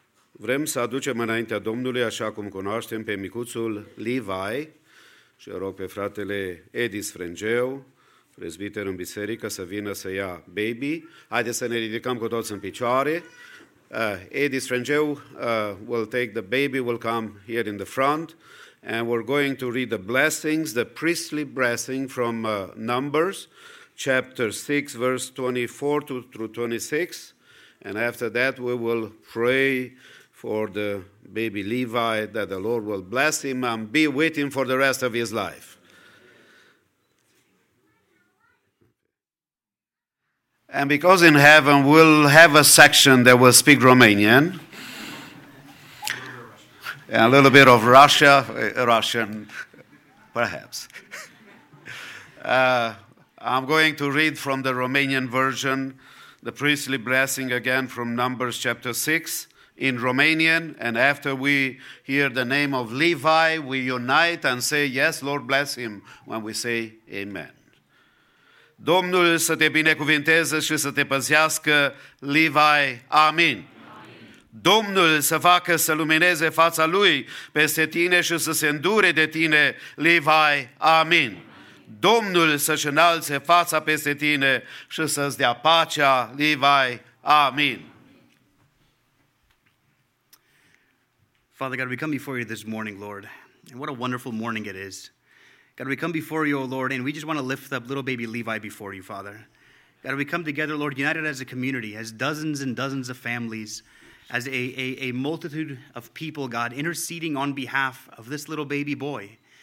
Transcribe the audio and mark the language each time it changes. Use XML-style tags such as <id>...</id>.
<ro>Vrem să aducem înaintea Domnului, așa cum cunoaștem, pe micuțul Levi și rog pe fratele Edis Frângeu, prezbiter în biserică, să vină să ia baby. Haideți să ne ridicăm cu toți în picioare.</ro> <en>Edis Frângeu will take the baby, will come here in the front. And we're going to read the blessings, the priestly blessing from Numbers, chapter 6, verse 24 through 26. And after that, we will pray for the baby Levi, that the Lord will bless him and be with him for the rest of his life. And because in heaven we'll have a section that will speak Romanian, and a little bit of Russian, perhaps. I'm going to read from the Romanian version, the priestly blessing again from Numbers chapter 6. In Romanian, and after we hear the name of Levi, we unite and say, yes, Lord, bless him, when we say, amen.</en> <ro>Domnul să te binecuvinteze și să te păzească, Levi, amin. Domnul să facă să lumineze fața lui peste tine și să se îndure de tine, Levi, amin. Domnul să-și înalțe fața peste tine și să-ți dea pacea, Levi, amin.</ro> <en>Father God, we come before you this morning, Lord, and what a wonderful morning it is. God, we come before you, O Lord, and we just want to lift up little baby Levi before you, Father. God, we come together, Lord, united as a community, as dozens and dozens of families, as a multitude of people, God, interceding on behalf of this little baby boy.</en>